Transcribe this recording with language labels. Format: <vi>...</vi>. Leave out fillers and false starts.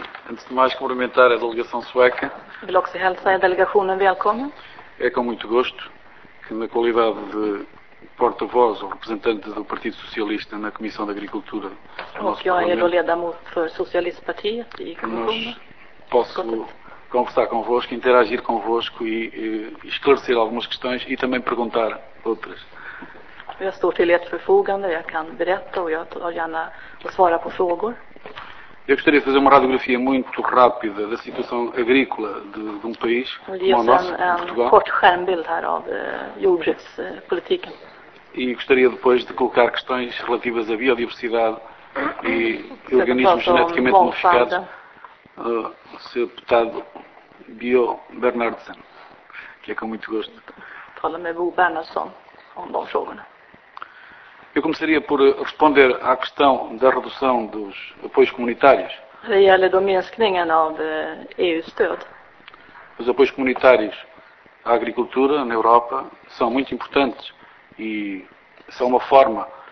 <pt>Antes de mais, cumprimentar a delegação sueca.</pt> <sv>Vill också hälsa</sv> <pt>a delegação</pt> <sv>välkommen.</sv> <pt>É com muito gosto que, na qualidade de porta-voz ou representante do Partido Socialista na Comissão de Agricultura do nosso Parlamento,</pt> <sv>och jag är ledamot för Socialistpartiet i kommissionen.</sv> <pt>Posso... conversar convosco, interagir convosco e esclarecer algumas questões e também perguntar outras. Eu estou</pt> <sv>till ert förfogande, jag kan berätta och jag tar gärna och svara på frågor.</sv> <pt>Eu gostaria de fazer uma radiografia muito rápida da situação agrícola de um país como o nosso, Portugal.</pt> <sv>En kort skärmbild här av jordbrukspolitiken.</sv> <pt>E gostaria depois de colocar questões relativas à biodiversidade e organismos geneticamente modificados. Sr. Deputado Bio Bernardsson, que é com muito gosto. Fala com Bo Bernardsson sobre as perguntas. Eu começaria por responder à questão da redução dos apoios comunitários.</pt> <sv>Det gäller då minskningen av EU-stöd.</sv> <pt>Os apoios comunitários a agricultura na Europa são muito importantes e são uma forma</pt>